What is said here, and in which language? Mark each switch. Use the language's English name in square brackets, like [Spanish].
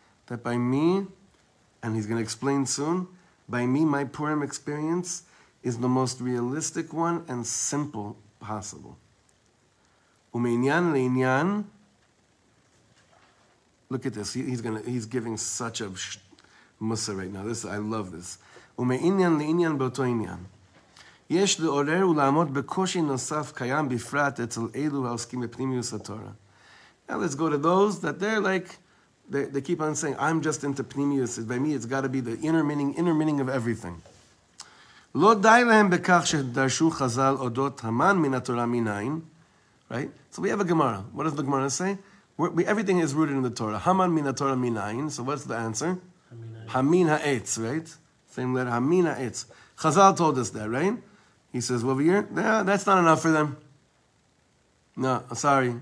[English] That by me, and he's going to explain soon, by me, my Purim experience is the most realistic one and simple possible. [Hebrew] ומעניין לעניין, [English] look at this. He's giving such a musa right now. I love this. [Hebrew] ומעניין לעניין באותו עניין. יש לעורר ולעמוד בקושי נוסף קיים בפרט אצל אלו העוסקים בפנימיוס התורה. [English] Now let's go to those that they're like, they keep on saying, I'm just into pneumius. By me, it's got to be the inner meaning of everything. [Hebrew] לא די להם בכך שדרשו חזל אודות המן מן התורה מנין. [English] Right? So we have a Gemara. What does the Gemara say? Everything is rooted in the Torah. [Hebrew] Haman min haTorah minayin. [English] So what's the answer? [Hebrew] Hamin haEtz, [English] right? Same letter. [Hebrew] Hamin haEtz. [English] Chazal told us that, right? He says, well, here, yeah, that's not enough for them. No, sorry.